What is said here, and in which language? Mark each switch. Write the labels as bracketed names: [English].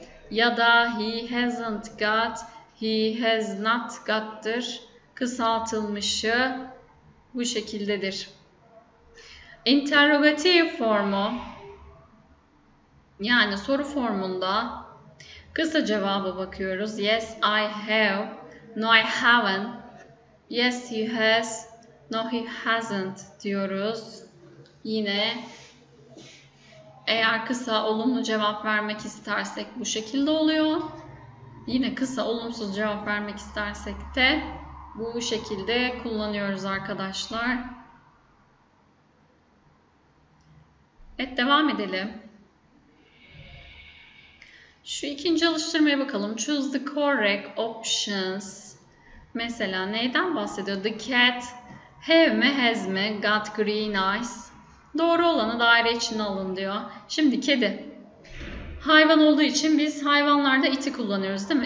[Turkish] Ya da [English] he hasn't got, he has not got'tır. [Turkish] Kısaltılmışı bu şekildedir. Interrogative formu, yani soru formunda kısa cevaba bakıyoruz. [English] Yes, I have. No, I haven't. Yes, he has. No, he hasn't [Turkish] diyoruz. Yine eğer kısa olumlu cevap vermek istersek bu şekilde oluyor. Yine kısa olumsuz cevap vermek istersek de bu şekilde kullanıyoruz arkadaşlar. Evet, devam edelim. Şu ikinci alıştırmaya bakalım. [English] Choose the correct options. [Turkish] Mesela neyden bahsediyor? [English] The cat have mi has mi got green eyes? [Turkish] Doğru olanı daire içine alın diyor. Şimdi kedi hayvan olduğu için biz hayvanlarda it'i kullanıyoruz değil mi?